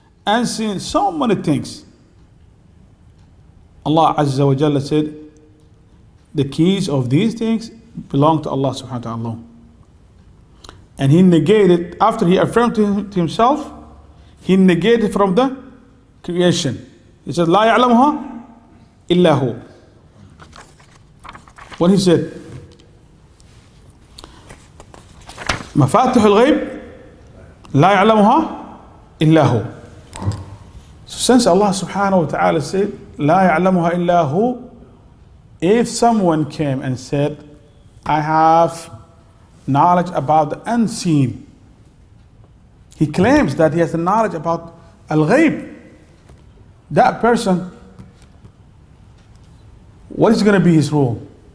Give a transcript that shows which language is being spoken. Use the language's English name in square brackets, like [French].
[English] and seen so many things. Allah Azza wa Jalla said, the keys of these things belong to Allah subhanahu wa ta'ala. And he negated, after he affirmed to himself, he negated from the creation. He said, [Arabic] لا يعلمها إلا هو. [English] What he said, [Arabic] مفاتح الغيب لا يعلمها إلا هو. [English] So since Allah subhanahu wa ta'ala said, [Arabic] لا يعلمها إلا هو, [English] if someone came and said, I have knowledge about the unseen, he claims that he has the knowledge about al-ghayb, that person, what is going to be his role?